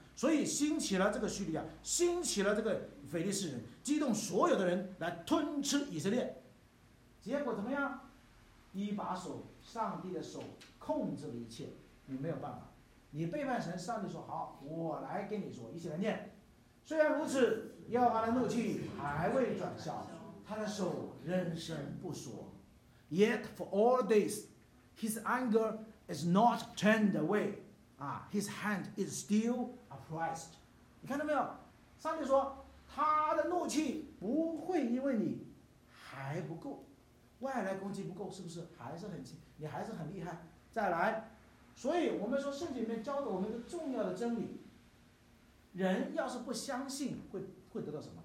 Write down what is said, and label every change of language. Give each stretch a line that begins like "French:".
Chinese: 所以兴起了这个叙利亚，兴起了这个腓力斯人，激动所有的人来吞吃以色列。结果怎么样？一把手，上帝的手控制了一切，你没有办法，你背叛神，上帝说好，我来跟你说，一起来念。虽然如此，耶和华的怒气还未转消，他的手仍伸不缩。
English: Yet for all this, his anger is not turned away. His hand is still upraised.
Chinese: 你看到没有？上帝说他的怒气不会因为你还不够。外来攻击不够，是不是还是很轻？你还是很厉害，再来。所以我们说圣经里面教的我们一个重要的真理，人要是不相信 会得到什么？